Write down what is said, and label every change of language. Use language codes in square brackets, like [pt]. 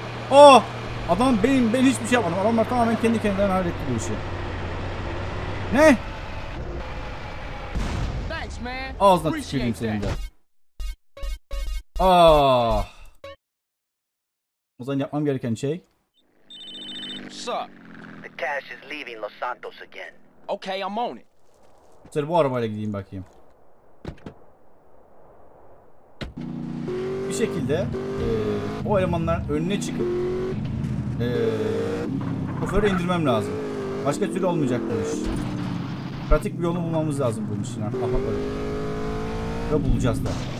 [tr] Oh! Adam ben hiçbir şey yapmadım. Adamlar tamamen kendi kendilerine halletti bu işi. Ne? Ağzına tüküreyim senin de. Ah! O zaman yapmam gereken şey. [en] The cash is leaving Los Santos again. Okay, I'm on it. [tr] Şöyle bu arabayla gideyim bakayım. Bir şekilde o elemanların önüne çıkıp kuaföre indirmem lazım. Başka türlü olmayacak bu iş. Pratik bir yolunu bulmamız lazım bu işin. Aha böyle. Ve bulacağız da.